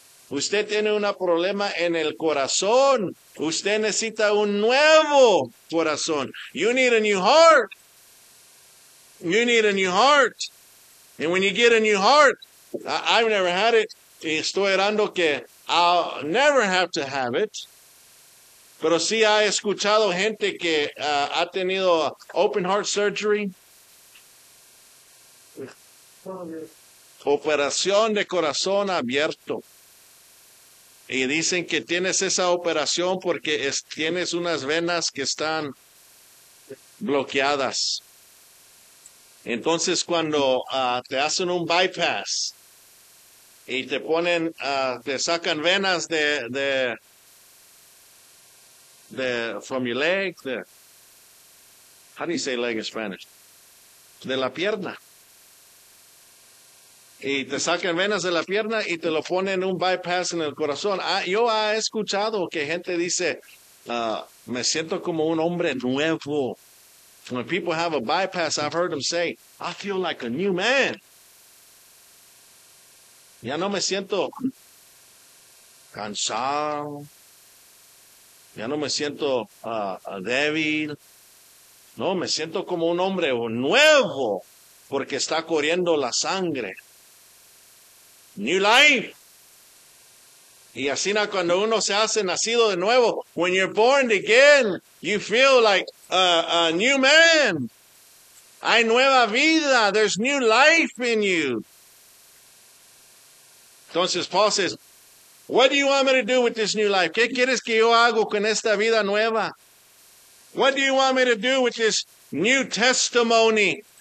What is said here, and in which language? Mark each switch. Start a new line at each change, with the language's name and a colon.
Spanish: Usted tiene un problema en el corazón. Usted necesita un nuevo corazón.
English: You need a new heart. You need a new heart. And when you get a new heart, I've never had it.
Spanish: Estoy orando que
English: I'll never have to have it.
Spanish: Pero sí ha escuchado gente que ha tenido
English: open heart surgery.
Spanish: Operación de corazón abierto. Y dicen que tienes esa operación porque tienes unas venas que están bloqueadas. Entonces, cuando te hacen un bypass y te ponen, te sacan venas de
English: from your leg, the, how do you say leg in Spanish?
Spanish: De la pierna. Y te sacan venas de la pierna y te lo ponen un bypass en el corazón. Yo he escuchado que gente dice, me siento como un hombre nuevo.
English: When people have a bypass, I've heard them say, I feel like a new man.
Spanish: Ya no me siento cansado. Ya no me siento débil. No, me siento como un hombre nuevo porque está corriendo la sangre.
English: New life.
Spanish: Y así cuando uno se hace nacido de nuevo,
English: when you're born again, you feel like a new man.
Spanish: Hay nueva vida.
English: There's new life in you. Entonces, Paul says, what do you want me to do with this new life?
Spanish: ¿Qué quieres que yo hago con esta vida nueva?
English: What do you want me to do with this new testimony?